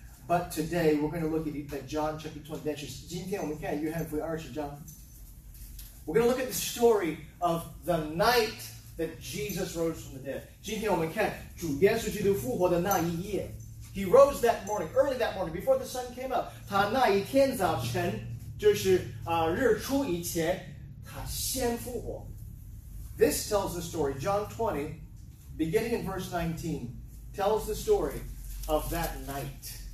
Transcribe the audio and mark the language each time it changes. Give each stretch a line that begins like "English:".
English: But today we're going to look at John chapter 20. That is,
Chinese: 今天我们看约翰福音二十章。
English: We're going to look at the story of the night that Jesus rose from the dead.
Chinese: 今天我们看主耶稣基督复活的那一夜。
English: He rose that morning, early that morning, before the sun came up.
Chinese: 他那一天早晨,就是日出以前,他先复活。
English: This tells the story, John 20, beginning in verse 19, tells the story of that night.